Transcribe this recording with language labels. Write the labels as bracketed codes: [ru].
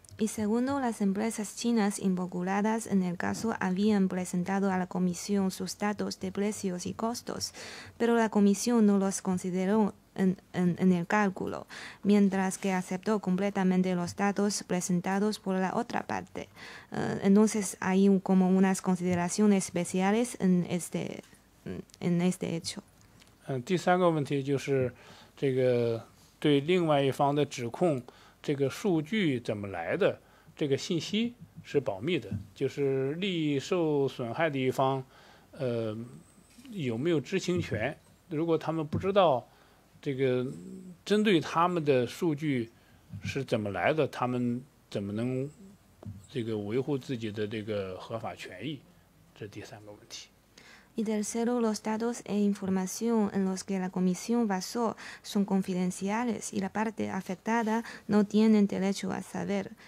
[es] Y segundo, las empresas chinas involucradas en el caso habían presentado a la comisión sus datos de precios y costos, pero la comisión no los consideró en el cálculo, mientras que aceptó completamente los datos presentados por la otra parte. Entonces, hay como unas consideraciones especiales en este hecho. [zh] 第三个问题就是这个对另外一方的指控。这个数据怎么来的？这个信息是保密的，就是利益受损害的一方，有没有知情权？如果他们不知道这个针对他们的数据是怎么来的，他们怎么能这个维护自己的这个合法权益？这第三个问题。 [es] y tercero, los datos e información en los que la comisión basó son confidenciales y la parte afectada no tiene derecho a saber.